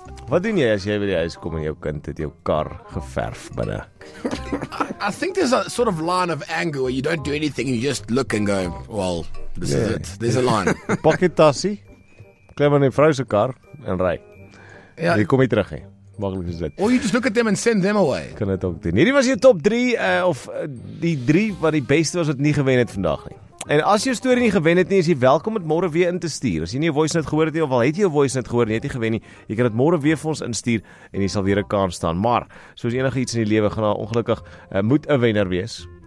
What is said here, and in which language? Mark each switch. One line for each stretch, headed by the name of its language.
Afrikaans: Wat doen jy as jy by die huis kom en jou kind het jou kar geverf binne?
English: I think there's a sort of line of anger where you don't do anything and you just look and go, well, this is it. There's a line.
Afrikaans: Pocket tassie, klim in die vrou se kar en ry. Ja. Jy kom nie terug nie. Maklik is dit.
English: Or you just look at them and send them away.
Afrikaans: Kan dit ook doen. Hierdie was jou top 3 of die 3 wat die beste was wat nie gewen het vandag nie. En as jy storie nie gewen het nie, is jy welkom om môre weer in te stuur. As jy nie jou voice note gehoor het nie, of al het jy jou voice note gehoor en jy het nie gewen nie, jy kan dit môre weer vir ons instuur en jy sal weer 'n kans staan. Maar, soos enige iets in die lewe, gaan daar ongelukkig moet 'n wenner wees.